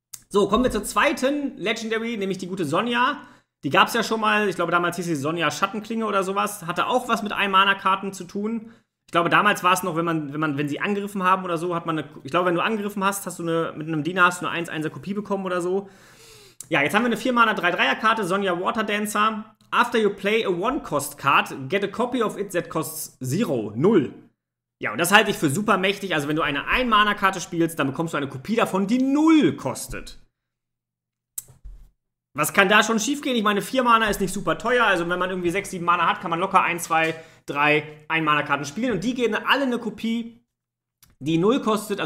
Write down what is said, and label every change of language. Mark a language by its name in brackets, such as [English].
[German] So, kommen wir zur zweiten Legendary, nämlich die gute Sonja, die gab es ja schon mal, ich glaube damals hieß sie Sonja Schattenklinge oder sowas, hatte auch was mit 1-Mana-Karten zu tun. Ich glaube, damals war es noch, wenn sie angegriffen haben oder so, hat man eine. Ich glaube, wenn du angegriffen hast, hast du eine. Mit einem Diener hast du eine 1-1er Kopie bekommen oder so. Ja, jetzt haben wir eine 4-Mana 3-3er Karte, Sonja Waterdancer. [English] After you play a 1-Cost Card, get a copy of it that costs 0. 0. [German] Ja, und das halte ich für super mächtig. Also, wenn du eine 1-Mana Karte spielst, dann bekommst du eine Kopie davon, die 0 kostet. Was kann da schon schiefgehen? Ich meine, 4-Mana ist nicht super teuer. Also, wenn man irgendwie 6-7 Mana hat, kann man locker 1, 2, 3 Ein-Mana-Karten spielen und die geben alle eine Kopie, die 0 kostet.